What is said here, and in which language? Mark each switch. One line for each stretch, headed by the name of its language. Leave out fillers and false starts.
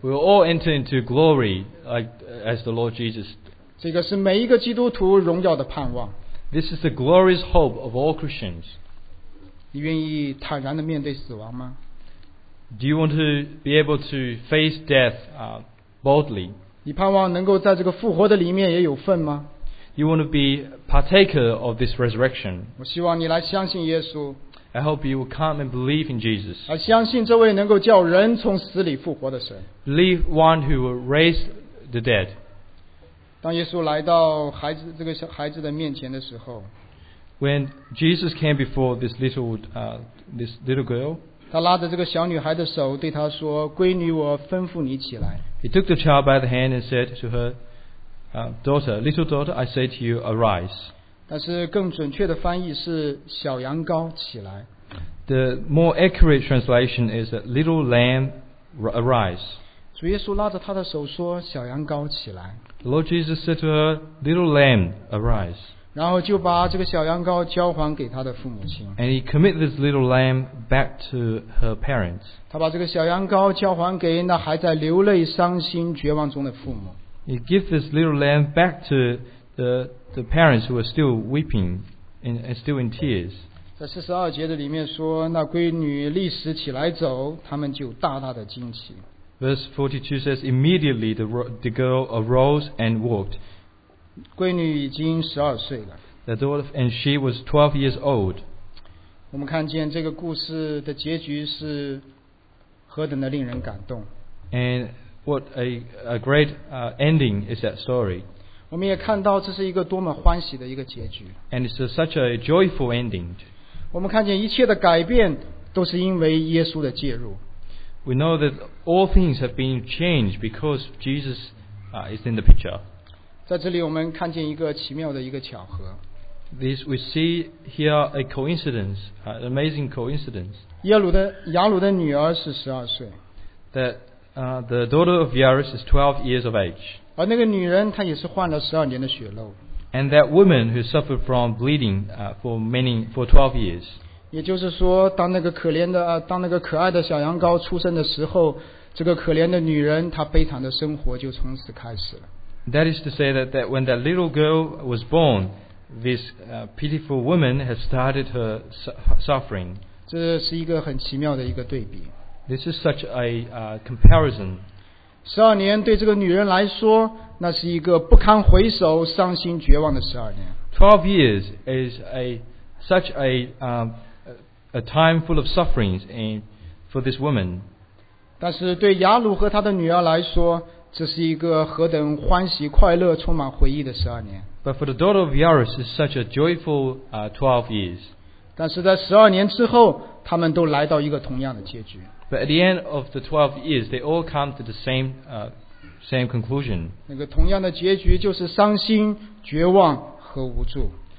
English: We will all enter into glory as the Lord Jesus.
Chinese: 这个是每一个基督徒荣耀的盼望。
English: This is the glorious hope of all Christians.
Chinese: 你愿意坦然地面对死亡吗？
English: Do you want to be able to face death boldly?
Chinese: 你盼望能够在这个复活的里面也有份吗？
English: You want to be partaker of this resurrection?
Chinese: 我希望你来相信耶稣。
English: I hope you will come and believe in Jesus.
Chinese: 而相信这位能够叫人从死里复活的神。
English: Believe one who will raise the dead.
Chinese: 当耶稣来到孩子这个小孩子的面前的时候，
English: When Jesus came before this little girl,
Chinese: 他拉着这个小女孩的手对她说，闺女，我吩咐你起来。
English: He took the child by the hand and said to her, daughter, little daughter, I say to you, arise.
Chinese: 但是更准确的翻译是小羊羔起来。
English: The more accurate translation is that little lamb arise.
Chinese: 主耶稣拉着她的手说，小羊羔起来。
English: The Lord Jesus said to her, "Little lamb, arise."
Chinese: 然后就把这个小羊羔交还给他的父母亲。
English: And he committed this little lamb back to her parents.
Chinese: 他把这个小羊羔交还给那还在流泪、伤心、绝望中的父母。
English: He gave this little lamb back to the parents who were still weeping and still in tears.
Chinese: 在四十二节的里面说，那闺女立时起来走，他们就大大的惊奇。
English: Verse 42 says, immediately the girl arose and walked.
Chinese: 闺女已经十二岁了。
English: The daughter, and she was 12 years old.
Chinese: 我们看见这个故事的结局是何等的令人感动。
English: And what a great ending is that story.
Chinese: 我们也看到这是一个多么欢喜的一个结局。
English: And it's such a joyful ending.
Chinese: 我们看见一切的改变都是因为耶稣的介入。
English: We know that all things have been changed because Jesus is in the picture.
Chinese: 在这里我们看见一个奇妙的一个巧合。
English: This we see here a coincidence, an amazing coincidence.
Chinese: 雅鲁的女儿是十二岁。
English: That the daughter of Jairus is 12 years of age.
Chinese: 而那个女人她也是患了十二年的血漏。
English: And that woman who suffered from bleeding for 12 years.
Chinese: 也就是说，当那个可怜的当那个可爱的小羊羔出生的时候，这个可怜的女人她悲惨的生活就从此开始了。
English: That is to say that when that little girl was born, this pitiful woman had started her suffering.
Chinese: 这是一个很奇妙的一个对比。
English: This is such a comparison.
Chinese: 十二年对这个女人来说，那是一个不堪回首、伤心绝望的十二年。
English: 12 years is such a time full of sufferings and for this woman.
Chinese: 但是对雅鲁和他的女儿来说，这是一个何等欢喜、快乐、充满回忆的十二年。
English: But for the daughter of Yairus, it's such a joyful 12 years.
Chinese: 但是在十二年之后，他们都来到一个同样的结局。
English: But at the end of the 12 years, they all come to the same conclusion.
Chinese: 那个同样的结局就是伤心、绝望和无助。